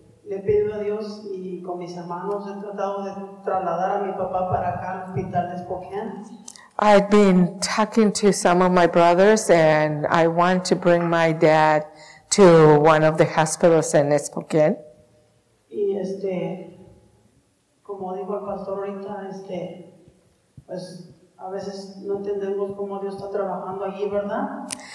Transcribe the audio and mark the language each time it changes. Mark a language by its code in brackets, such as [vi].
[es] Le pido a Dios y con mis hermanos he tratado de trasladar a mi papá para acá al hospital de Spokane. [en] I've been talking to some of my brothers and I want to bring my dad to one of the hospitals in Spokane. [es] Y como dijo el pastor ahorita, pues a veces no entendemos cómo Dios está trabajando allí, ¿verdad?